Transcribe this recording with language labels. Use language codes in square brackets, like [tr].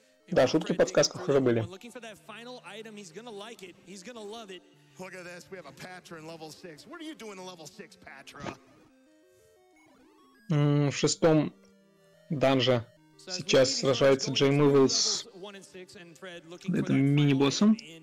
[ru] Да, шутки в подсказках уже были. [en] Look at this, we have a patron level 6. What are you doing in level 6, Patra? [ru] В шестом данже сейчас сражается Джейм Ивел с этим мини-боссом.